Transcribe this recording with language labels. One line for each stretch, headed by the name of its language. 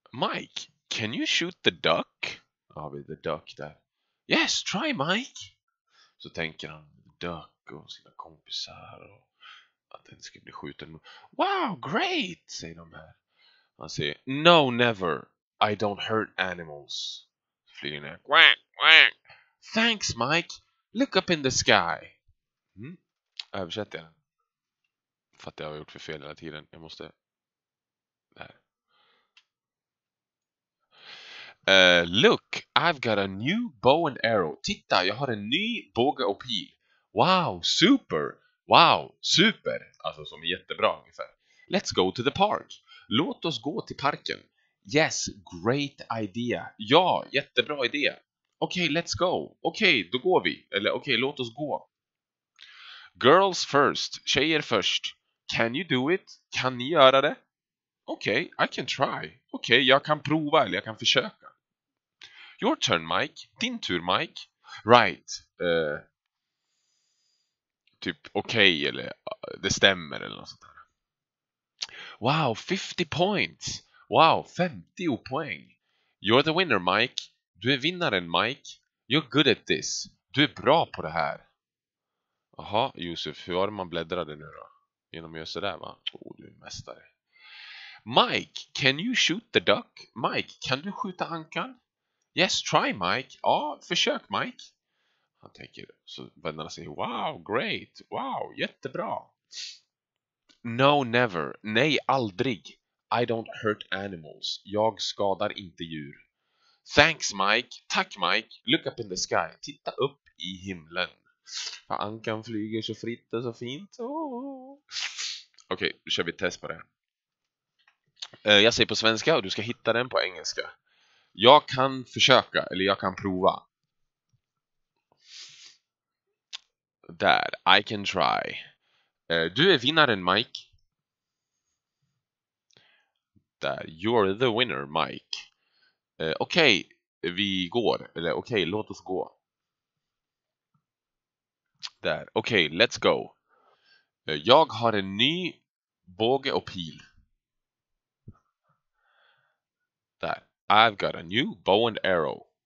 English: Mike, can you shoot the duck?
Swedish: Ja, vi
English: the duck
Swedish: där.
English: Yes, try Mike.
Swedish: Så tänker han duck och sina kompisar och att den ska bli skjuten.
English: Wow, great,
Swedish: säger de här. Han säger,
English: no, never. I don't hurt animals.
Swedish: Flyger ner.
English: Quack, quack. Thanks, Mike. Look up in the sky.
Swedish: Översätter jag den. För att jag har gjort för fel hela tiden. Jag måste. Där.
English: Look, I've got a new bow and arrow.
Swedish: Titta, jag har en ny båge och pil. Wow, super. Wow, super. Alltså som är jättebra ungefär.
English: Let's go to the park.
Swedish: Låt oss gå till parken.
English: Yes, great idea.
Swedish: Ja, jättebra idé. Okej,
English: let's go.
Swedish: Okej, då går vi. Eller okej, låt oss gå.
English: Girls first,
Swedish: tjejer först.
English: Can you do it?
Swedish: Kan ni göra det?
English: Okay, I can try.
Swedish: Okay, jag kan prova eller jag kan försöka.
English: Your turn, Mike.
Swedish: Din tur, Mike.
English: Right.
Swedish: Typ okay eller det stämmer eller något sånt där.
English: Wow, 50 points.
Swedish: Wow, 50 poäng.
English: You're the winner, Mike.
Swedish: Du är vinnaren, Mike.
English: You're good at this.
Swedish: Du är bra på det här. Jaha, Josef, hur var det man bläddrade nu då? Genom att göra sådär va? Åh, du är mästare.
English: Mike, can you shoot the duck?
Swedish: Mike, kan du skjuta ankan?
English: Yes, try Mike.
Swedish: Ja, försök Mike. Han tänker, så vännerna säger,
English: wow, great.
Swedish: Wow, jättebra.
English: No, never.
Swedish: Nej, aldrig.
English: I don't hurt animals.
Swedish: Jag skadar inte djur.
English: Thanks Mike.
Swedish: Tack Mike.
English: Look up in the sky.
Swedish: Titta upp i himlen. För ankan flyger så fritt och så fint. Okej, nu kör vi ett test på det. Jag säger på svenska och du ska hitta den på engelska. Jag kan försöka, eller jag kan prova. Där,
English: I can try.
Swedish: Du är vinnaren, Mike.
English: Där, you're the winner, Mike.
Swedish: Okej, vi går. Eller okej, låt oss gå.
English: Där. Okej, okay, let's go.
Swedish: Jag har en ny båge och pil. Där.
English: I've got a new bow and arrow.